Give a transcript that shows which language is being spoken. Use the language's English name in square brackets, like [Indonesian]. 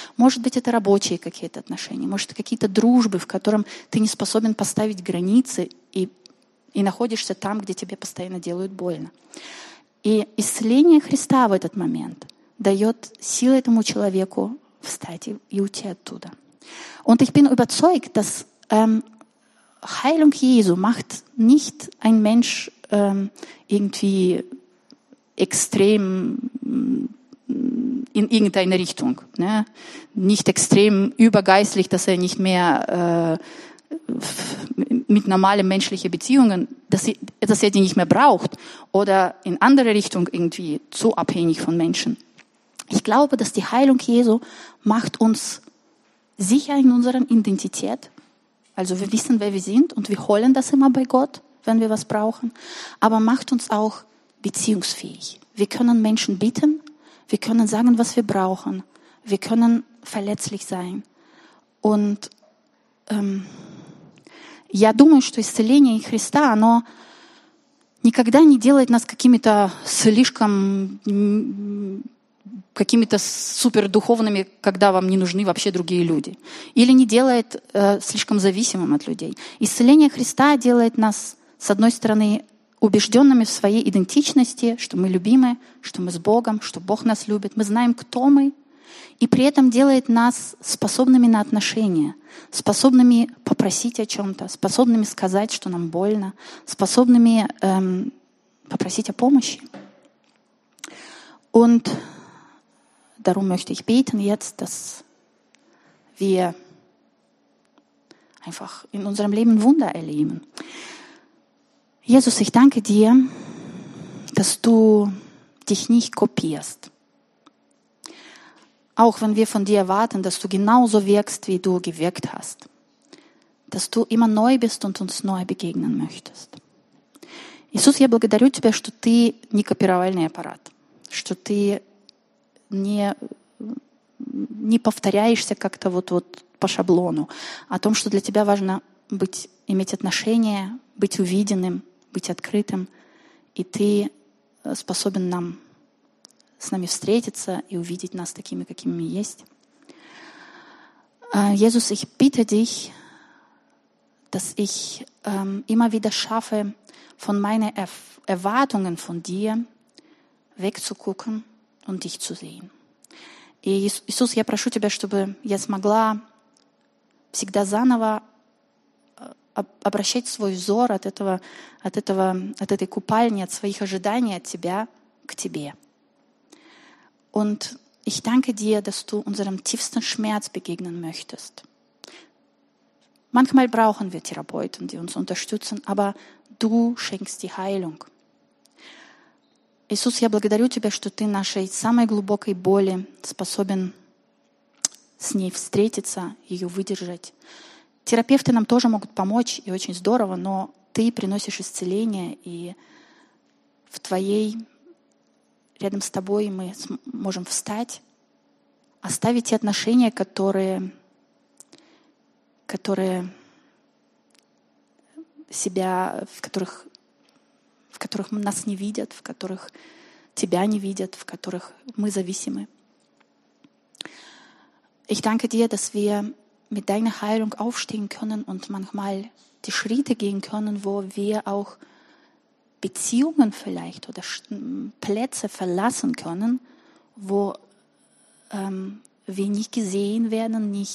[Russian] Может быть, это рабочие какие-то отношения, может, какие-то дружбы, в котором ты не способен поставить границы и находишься там, где тебе постоянно делают больно. И исцеление Христа в этот момент дает силу этому человеку встать и уйти оттуда. [German] Und ich bin überzeugt, dass Heilung Jesu macht nicht ein Mensch irgendwie extrem in irgendeine Richtung. Ne? Nicht extrem übergeistlich, dass er nicht mehr mit normalen menschlichen Beziehungen, dass er die nicht mehr braucht oder in andere Richtung irgendwie zu abhängig von Menschen. Ich glaube, dass die Heilung Jesu macht uns sicher in unserer Identität. Also wir wissen, wer wir sind und wir holen das immer bei Gott, wenn wir was brauchen. Aber macht uns auch beziehungsfähig. Wir können Menschen bitten, wir können sagen, was wir brauchen, wir können verletzlich sein. [Russian] Und я думаю, что исцеление Христа, оно никогда не делает нас какими-то слишком какими-то супердуховными, когда вам не нужны вообще другие люди. Или не делает слишком зависимым от людей. Исцеление Христа делает нас, с одной стороны, убежденными в своей идентичности, что мы любимы, что мы с Богом, что Бог нас любит. Мы знаем, кто мы. И при этом делает нас способными на отношения, способными попросить о чем-то, способными сказать, что нам больно, способными попросить о помощи. [German] Und darum möchte ich beten jetzt, dass wir einfach in unserem Leben Wunder erleben. Jesus, ich danke dir, dass du dich nicht kopierst. Auch wenn wir von dir erwarten, dass du genauso wirkst, wie du gewirkt hast. Dass du immer neu bist und uns neu begegnen möchtest. [Russian] Jesus, я благодарю тебя, что ты не копировальный аппарат. Что ты не повторяешься как-то вот по шаблону. О том, что для тебя важно иметь отношения, быть увиденным, быть открытым, и ты способен нам с нами встретиться и увидеть нас такими, какими мы есть. [German] Jesus, ich bitte dich, dass ich immer wieder schaffe, von meinen Erwartungen von dir wegzugucken und dich zu sehen. [Russian] И Иисус, я прошу тебя, чтобы я смогла всегда заново обращать свой взор от этой купальни, от своих ожиданий от тебя к тебе. [German] Und ich danke dir, dass du unserem tiefsten Schmerz begegnen möchtest. Manchmal brauchen wir Therapeuten, die uns unterstützen, aber du schenkst die Heilung. [Russian] Иисус, я благодарю тебя, что ты нашей самой глубокой боли способен с ней встретиться, ее выдержать. Терапевты нам тоже могут помочь, и очень здорово, но ты приносишь исцеление, и в твоей, рядом с тобой мы можем встать, оставить те отношения, в которых нас не видят, в которых тебя не видят, в которых мы зависимы. [German] Ich danke dir, dass wir mit deiner Heilung aufstehen können und manchmal die Schritte gehen können, wo wir auch Beziehungen vielleicht oder Plätze verlassen können, wo wir nicht gesehen werden,